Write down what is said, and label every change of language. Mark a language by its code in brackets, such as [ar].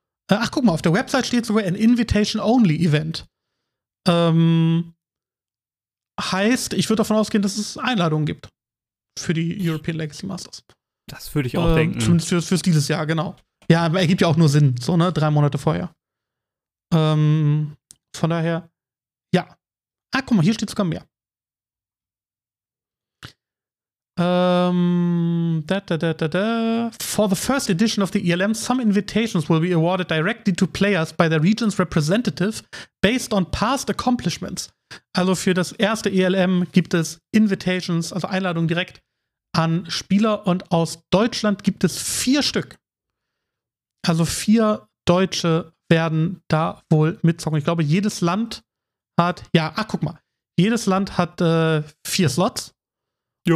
[de] Ach, guck mal, auf der Website steht sogar ein Invitation-Only-Event. Heißt, ich würde davon ausgehen, dass es Einladungen gibt für die European Legacy Masters. Das würde ich auch denken. Zumindest fürs dieses Jahr, genau. Ja, ergibt ja auch nur Sinn, so, ne? 3 Monate vorher. Von daher, ja. Ah, guck mal, hier steht sogar mehr. [en] For the first edition of the ELM, some invitations will be awarded directly to players by their region's representative based on past accomplishments. [de] Also für das erste ELM gibt es Invitations, also Einladungen direkt an Spieler, und aus Deutschland gibt es 4 Stück. Also 4 Deutsche werden da wohl mitzocken. Ich glaube, jedes Land hat, ja, ach, guck mal, jedes Land hat 4 Slots. Jo.